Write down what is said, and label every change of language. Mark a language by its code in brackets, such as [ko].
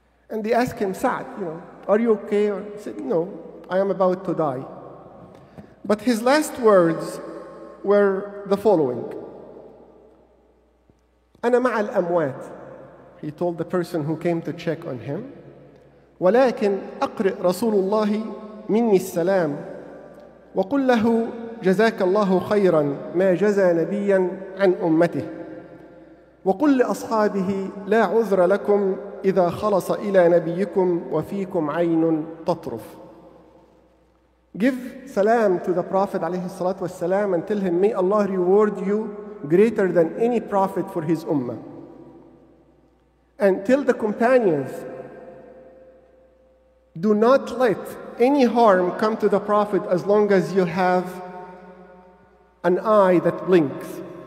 [en] And they asked him, Sa'd, you know, are you okay? He said, no, I am about to die. But his last words were the following. [ar] أنا مع الأموات, [en] he told the person who came to check on him. [ar] ولكن أقرئ رسول الله مني السلام وقل له جزاك الله خيرا ما جزى نبيا عن أمته وقل لأصحابه لا عذر لكم إذا خلص إلى نبيكم وفيكم عين تطرف. [en] Give salam to the Prophet alayhi salatu wa salam and tell him, may Allah reward you greater than any prophet for his ummah. And tell the companions, do not let any harm come to the Prophet as long as you have an eye that blinks.